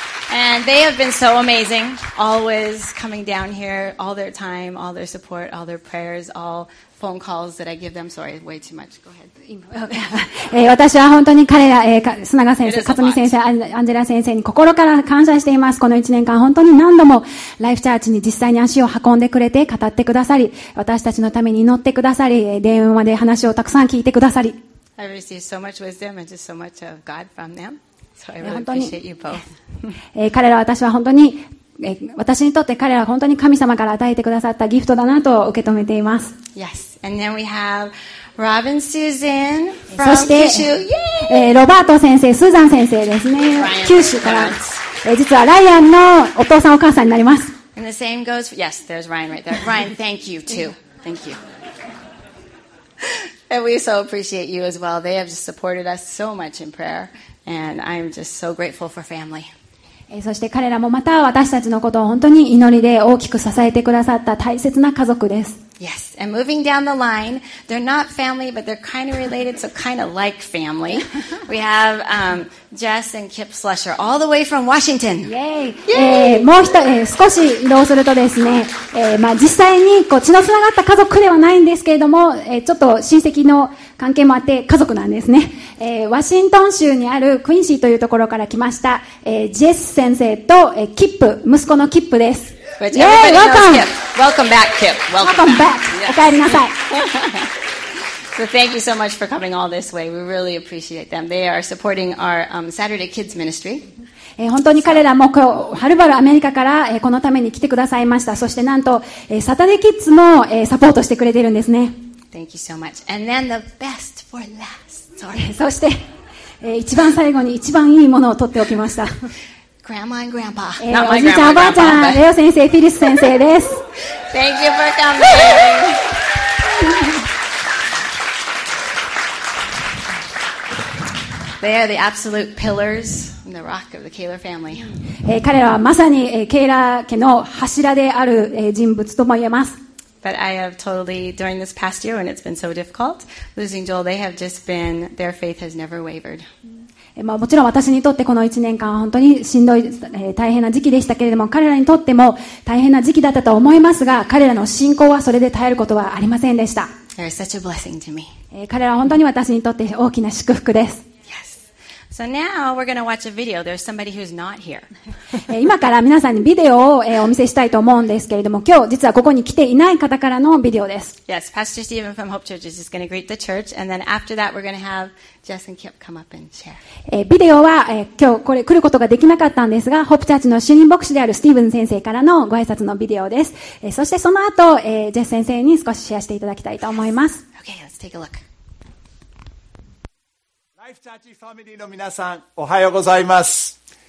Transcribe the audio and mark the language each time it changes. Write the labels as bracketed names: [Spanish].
[English] And they have been so amazing, always coming down here, all their time, all their support, all their prayers, all phone calls that I give them. Sorry, way too much. Go ahead. [Japanese] 私は本当に彼ら、須永先生、勝美先生、アンジェラ先生に心から感謝しています。この1年間本当に何度もライフチャーチに実際に足を運んでくれて語ってくださり、私たちのために祈ってくださり、電話で話をたくさん聞いてくださり。 [English] I received so much wisdom and just so much of God from them. So、 [Japanese] 彼らは私は本当に、私にとって彼らは本当に神様から与えてくださったギフトだなと受け止めています。 [English] Yes. And then we have Rob and Susan from [Japanese] そして九州、ロバート先生、スーザン先生ですね、九州から、実はライアンのお父さんお母さんになります。 [English] And the same goes for, Yes, there's Ryan right there. Ryan, thank you too. Thank you. And we so appreciate you as well. They have just supported us so much in prayerAnd I'm just so grateful for family. [Japanese] そして彼らもまた私たちのことを本当に祈りで大きく支えてくださった大切な家族です。 [English] Yes, and moving down the line, they're not family, but they're kind of related, so kind of like family. We have, Jess and Kip Slusher, all the way from Washington. Yay! [Japanese] もう一人、少し移動するとですね、まあ実際にこう血のつながった家族ではないんですけれども、ちょっと親戚の関係もあって家族なんですね。ワシントン州にあるクインシーというところから来ました、ジェス先生と、キップ、息子のキップです。 [English] Which everybody knows Kip. Welcome back, Kip. Welcome [Japanese] back. おかえりなさい。 [English] So thank you so much for coming all this way. We really appreciate them. They are supporting our, Saturday Kids Ministry. [Japanese] 本当に彼らもはるばるアメリカからこのために来てくださいました。そしてなんと、サタデーキッズもサポートしてくれているんですね。 [English] Thank you so much. And then the best for last. Sorry. [Japanese] そして、一番最後に一番いいものを取っておきました。 [English] Grandma and Grandpa. [Japanese] おじいちゃん、おばあちゃん、レオ先生、フィリス先生です。 [English] Thank you for coming. They are the absolute pillars and the rock of the Kaler family. [Japanese] 彼らはまさに、ケイラー家の柱である、人物とも言えます。 [English] But I have totally, during this past year, and it's been so difficult, losing Joel, they have just been, their faith has never wavered. [Japanese] まあ、もちろん私にとってこの1年間は本当にしんどい、大変な時期でしたけれども、彼らにとっても大変な時期だったと思いますが、彼らの信仰はそれで耐えることはありませんでした。 [English] They're such a blessing to me. [Japanese] 彼らは本当に私にとって大きな祝福です。 [English] Yes. So now we're going to watch a video. There's somebody who's not here. [Japanese] 今から皆さんにビデオを、お見せしたいと思うんですけれども、今日実はここに来ていない方からのビデオです。 [English] Yes, Pastor Stephen from Hope Church is just going to greet the church, and then after that we're going to haveJess and Kip come up and share. [Japanese] ビデオは、今日これ来ることができなかったんですが、ホープチャーチの主任牧師であるスティーブン先生からのご挨拶のビデオです。そしてその後、ジェス先生に少しシェアしていただきたいと思います。 [English] Yes. Okay, let's take a look. [Japanese] ライフチャーチファミリーの皆さん、おはようございます。